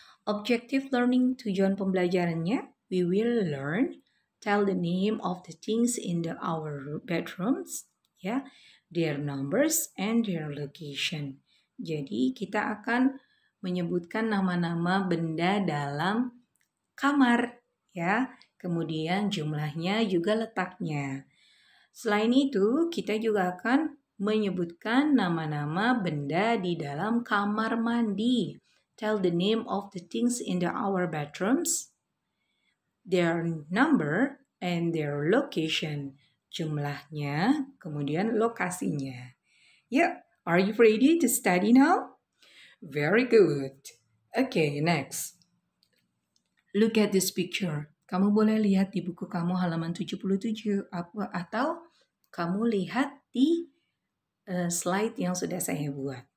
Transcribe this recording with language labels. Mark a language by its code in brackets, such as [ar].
[en] Objective learning, [id] tujuan pembelajarannya. [en] We will learn, tell the name of the things in the our bedrooms, ya, their numbers and their location. [id] Jadi kita akan menyebutkan nama-nama benda dalam kamar, ya. Kemudian jumlahnya juga letaknya. Selain itu, kita juga akan menyebutkan nama-nama benda di dalam kamar mandi. [en] Tell the name of the things in the our bedrooms, their number and their location. [id] Jumlahnya, kemudian lokasinya. [en] Yep, are you ready to study now? Very good. Okay, next. Look at this picture. [id] Kamu boleh lihat di buku kamu halaman 77 atau kamu lihat di slide yang sudah saya buat.